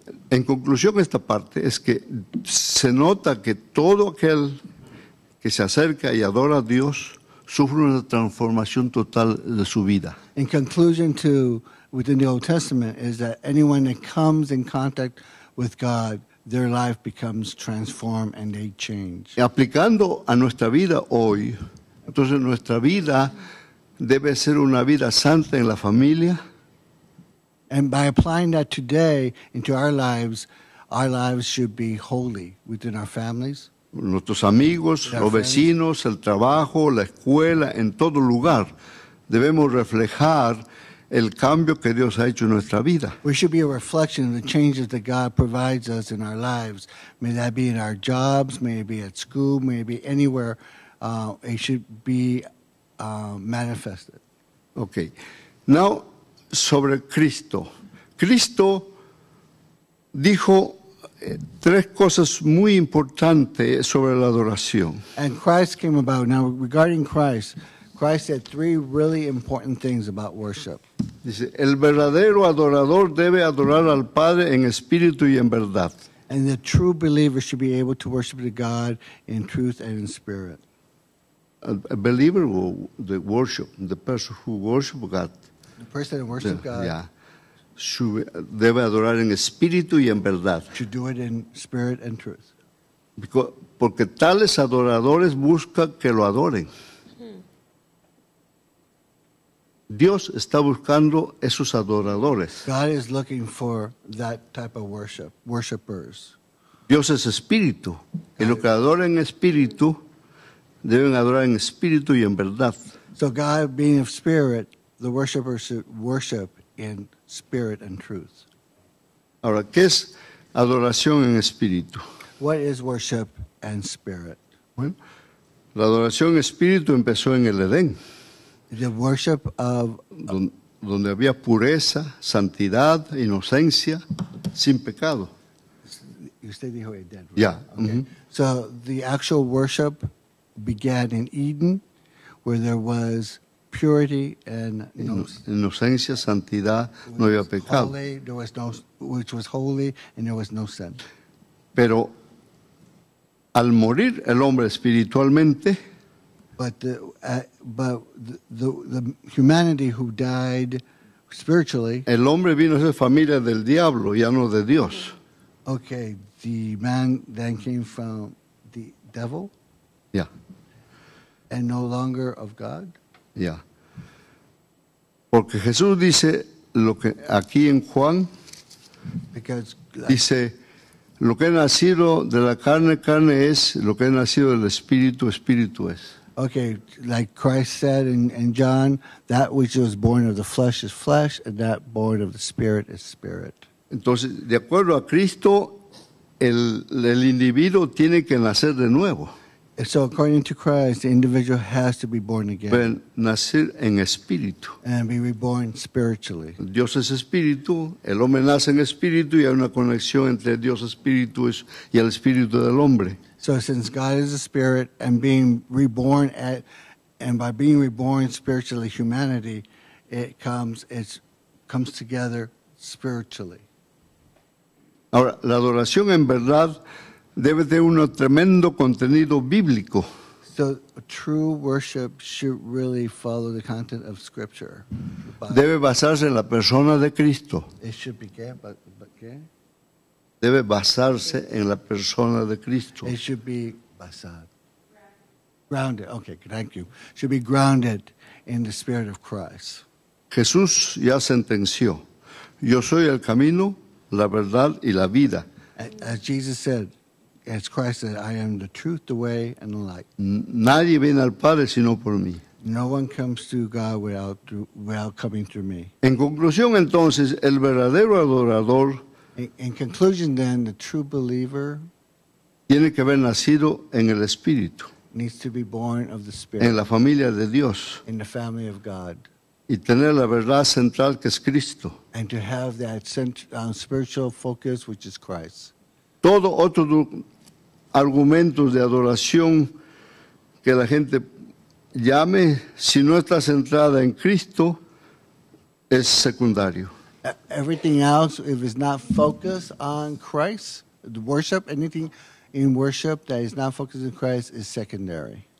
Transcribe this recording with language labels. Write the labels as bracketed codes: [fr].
[es] En conclusión, esta parte es que se nota que todo aquel que se acerca y adora a Dios sufre una transformación total de su vida. [en] In conclusion, to within the Old Testament, is that anyone that comes in contact with God, their life becomes transformed and they change. [es] Aplicando a nuestra vida hoy, entonces nuestra vida debe ser una vida santa en la familia. [en] And by applying that today into our lives should be holy within our families. [es] Nuestros amigos, los vecinos, el trabajo, la escuela, en todo lugar. Debemos reflejar el cambio que Dios ha hecho en nuestra vida. [en] We should be a reflection of the changes that God provides us in our lives. May that be in our jobs, may it be at school, may it be anywhere. It should be manifested. Okay. Now, [es] sobre Cristo. Cristo dijo tres cosas muy importantes sobre la adoración. [en] And Christ came about. Now, regarding Christ, Christ said three really important things about worship. [es] Dice, el verdadero adorador debe adorar al Padre en espíritu y en verdad. [en] And the true believer should be able to worship the God in truth and in spirit. A believer will worship, the person who worship God. The person that worships God, yeah, should, [es] debe adorar en espíritu y en verdad. [en] Should do it in spirit and truth. [es] Porque tales adoradores buscan que lo adoren. Dios está buscando esos adoradores. [en] God is looking for that type of worship, worshipers. [es] Dios es espíritu. Y los que adoran en espíritu deben adorar en espíritu y en verdad. [en] So God being of spirit, the worshipper should worship in spirit and truth. [es] Ahora, ¿qué es adoración en espíritu? [en] What is worship and spirit? [es] Bueno, la adoración en espíritu empezó en el Edén. [en] The worship of [es] donde había pureza, santidad, inocencia, sin pecado. Usted dijo Edén, right? [en] Yeah. Okay. Mm-hmm. So the actual worship began in Eden, where there was purity and [es] inocencia, santidad, no había pecado. [en] Holy, there was no, which was holy and there was no sin. [es] Pero al morir el hombre espiritualmente, [en] but the humanity who died spiritually, [es] el hombre vino a ser familia del diablo, ya no de Dios. [en] Okay, the man then came from the devil. Yeah. And no longer of God. Yeah. [es] Porque Jesús dice lo que aquí en Juan, dice lo que ha nacido de la carne, carne es; lo que ha nacido del espíritu, espíritu es. [en] Okay, like Christ said in John, that which was born of the flesh is flesh, and that born of the spirit is spirit. [es] Entonces, de acuerdo a Cristo, el individuo tiene que nacer de nuevo. [en] And so according to Christ, the individual has to be born again. [es] Pero nacer en espíritu. [en] And be reborn spiritually. [es] Dios es espíritu, el hombre nace en espíritu, y hay una conexión entre Dios espíritu y el espíritu del hombre. [en] So since God is a spirit, and being reborn and by being reborn spiritually, humanity, it comes together spiritually. [es] Ahora, la adoración en verdad debe tener un tremendo contenido bíblico. [en] So true worship should really follow the content of Scripture. [es] Debe basarse en la persona de Cristo. [en] It should begin, but ¿qué? [es] Debe basarse en la persona de Cristo. [en] It should be basad. Grounded. Okay, thank you. Should be grounded in the Spirit of Christ. [es] Jesús ya sentenció. Yo soy el camino, la verdad y la vida. [en] As Jesus said, as Christ said, I am the truth, the way, and the light. [es] Nadie viene al Padre sino por mí. [en] No one comes to God without coming through me. [es] En conclusión, entonces, el verdadero adorador, [en] in conclusion, then, the true believer [es] tiene que haber nacido en el Espíritu, [en] needs to be born of the Spirit, [es] en la familia de Dios, [en] in the family of God, [es] y tener la verdad central, que es Cristo, [en] and to have that spiritual focus, which is Christ. [es] Todo otro argumento de adoración que la gente llame, si no está centrada en Cristo, es secundario. [en] Everything else, if it's not focused on Christ, the worship, anything in worship that is not focused on Christ is secondary.